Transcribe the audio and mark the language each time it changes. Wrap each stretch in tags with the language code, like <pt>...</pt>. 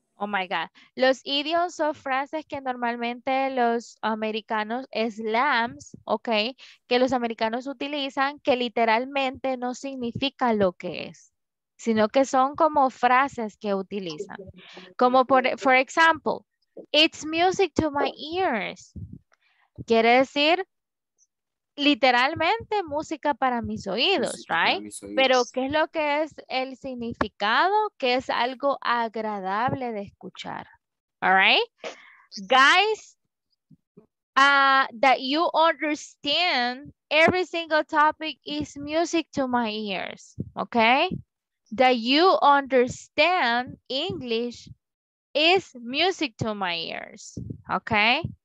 <en>Oh, my God.</en> <es>Los idioms son frases que normalmente los americanos, slams, ok, que los americanos utilizan, que literalmente no significan lo que es, sino que son como frases que utilizan. Como</es> <en>for example, it's music to my ears.</en> <es>Quiere decir, literalmente, música para mis oídos, música,</es> <en>right?</en> <es>Pero, ¿qué es lo que es el significado? Que es algo agradable de escuchar,</es> <en>all right? Guys, that you understand, every single topic is music to my ears, okay? That you understand English is music to my ears, okay?</en>